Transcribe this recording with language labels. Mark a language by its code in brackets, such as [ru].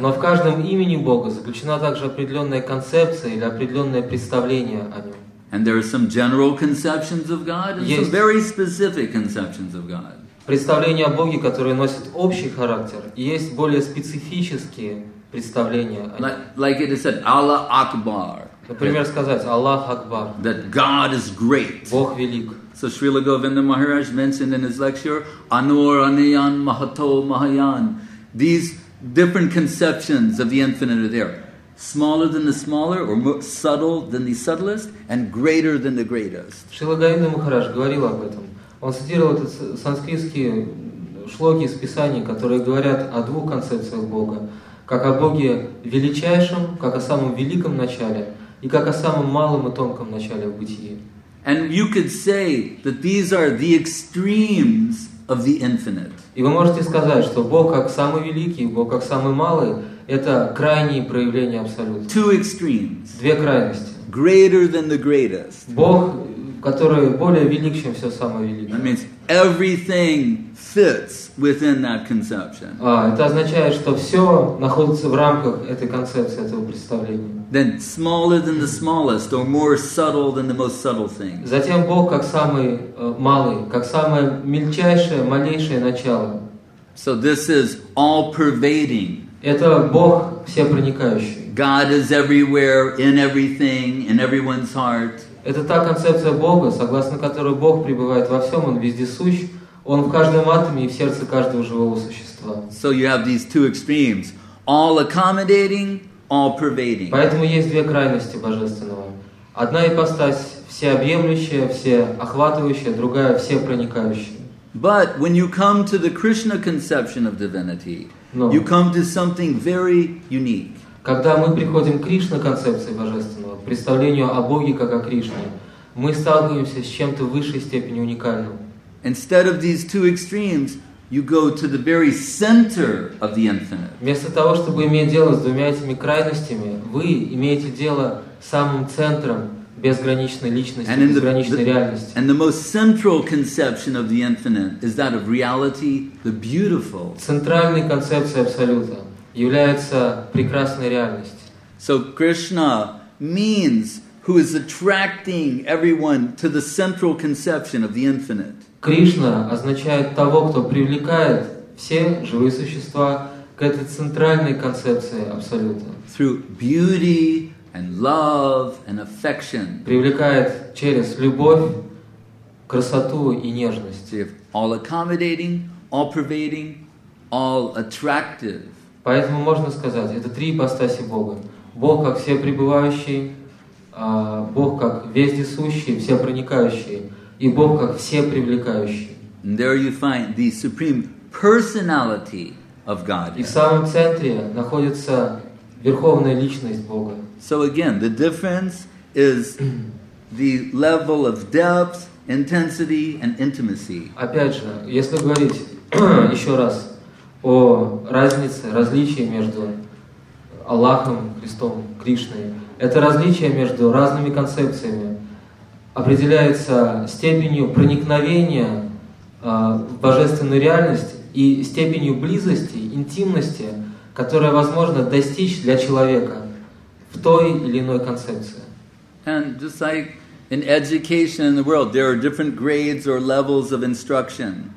[ru] Но в каждом имени Бога заключена также определенная концепция или определенное представление о нем. [en] And there are some general conceptions of God and [ru] Есть [en] some very specific conceptions of God. [ru] Представления о Боге, которые носят общий характер, и есть более специфические представления о нем. [en] Like it is said, Allah Akbar. [ru] Например, сказать Аллах Акбар. [en] That God is great. [ru] Бог велик. [en] So Srila Govinda Maharaj mentioned in his lecture, Anur, Anayan, Mahato, Mahayan. These different conceptions of the infinite are there. Smaller than the smaller, or more subtle than the subtlest, and greater than the greatest. [ru] Srila Govinda Maharaj говорил об этом. Он цитировал эти санскритские шлоки из Писаний, которые говорят о двух концепциях Бога. Как о Боге величайшем, как о самом великом начале, и как о самом малом и тонком начале в бытии. [en] And you could say that these are the extremes of the infinite. [ru] И вы можете сказать, что Бог как самый великий, Бог как самый малый, это крайние проявления абсолюта. [en] Two extremes. [ru] Две крайности. [en] Greater than the greatest. [ru] Бог, который более велик, чем все самое великое. [en] That means everything fits within that conception. [ru] Это означает, что все находится в рамках этой концепции, этого представления. [en] Then smaller than the smallest, or more subtle than the most subtle thing. [ru] Затем Бог как самый малый, как самое мельчайшее, малейшее начало. [en] So this is all pervading. [ru] Это Бог всепроникающий. [en] God is everywhere, in everything, in everyone's heart. [ru] Это та концепция Бога, согласно которой Бог пребывает во всем, Он вездесущ, Он в каждом атоме и в сердце каждого живого существа. [en] So you have these two extremes, all accommodating, all pervading. [ru] Поэтому есть две крайности божественного. Одна ипостась всеобъемлющая, всеохватывающая, другая всепроникающая. [en] But when you come to the Krishna conception of divinity, you come to something very unique. [ru] Когда мы приходим к Кришна концепции божественного, к представлению о Боге как о Кришне, мы сталкиваемся с чем-то высшей степени уникальным. [en] Instead of these two extremes, you go to the very center of the infinite. [ru] Вместо того, чтобы иметь дело с двумя этими крайностями, вы имеете дело с самым центром безграничной личности, безграничной реальности. [en] And the most central conception of the infinite is that of reality, the beautiful. [ru] Центральной концепцией абсолюта является прекрасная реальность. [en] So Krishna means who is attracting everyone to the central conception of the infinite. [ru] Кришна означает того, кто привлекает все живые существа к этой центральной концепции абсолюта. [en] Through beauty and love and affection. [ru] Привлекает через любовь, красоту и нежность. [en] All accommodating, all pervading, all attractive. [ru] Поэтому можно сказать, это три ипостаси Бога. Бог как все пребывающие, Бог как вездесущий, все проникающие. И Бог как все привлекающий. И в самом центре находится верховная личность Бога. [en] So again, the difference is the level of depth, intensity, and intimacy. [ru] Опять же, если говорить еще раз о разнице, различии между Аллахом, Христом, Кришной, это различие между разными концепциями. Определяется степенью проникновения в божественную реальность и степенью близости, интимности, которая возможно достичь для человека в той или иной концепции. [en] And just like in education in the world, there are different grades or levels of instruction.